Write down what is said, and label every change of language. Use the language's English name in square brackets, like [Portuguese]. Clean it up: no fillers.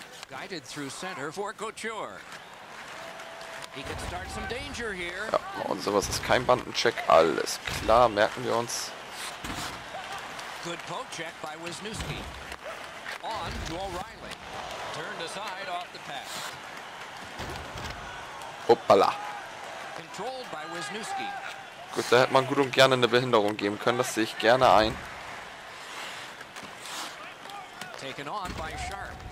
[English] Guided through center for Couture. He could start some danger here. [German] Ja, und sowas ist kein Bandencheck. Alles klar, merken wir uns. [English] Good poke check by Wisniewski. On to O'Reilly. Turned aside off the pass. Hoppala. Controlled by Wisniewski. [German] Gut, da hätte man gut und gerne eine Behinderung geben können. Das sehe ich gerne ein. [English] Taken on by Sharp.